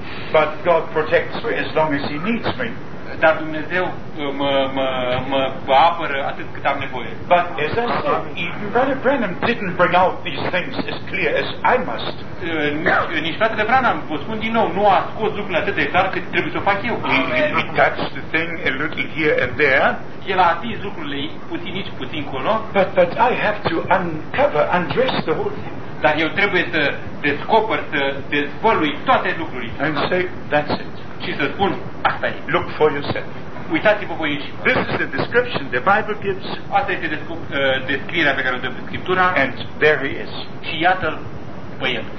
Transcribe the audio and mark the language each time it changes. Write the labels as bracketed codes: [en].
[en] But God protects me as long as he needs me. [ro] Dar Dumnezeu mă apără atât cât am nevoie. [en] But as I said, Brother Branham didn't bring out these things as clear as I must. [ro] Nici fratele Branham, vă spun din nou, nu a scos lucrurile atât de clar cât trebuie să o fac eu. [en] He touched the thing a little here and there. [ro] El a atins lucrurile puțin aici, puțin colo. [en] But I have to uncover, undress the whole thing. [ro] Dar eu trebuie să descoper, să dezvălui toate lucrurile. [en] And say, that's it. [ro] Și să spun, asta e. [en] Look for yourself. [ro] Uitați-vă voi aici. [en] This is the description the Bible gives. [ro] Asta este descrierea pe care o dă Scriptura. [en] And there he is. [ro] Și iată-l pe el.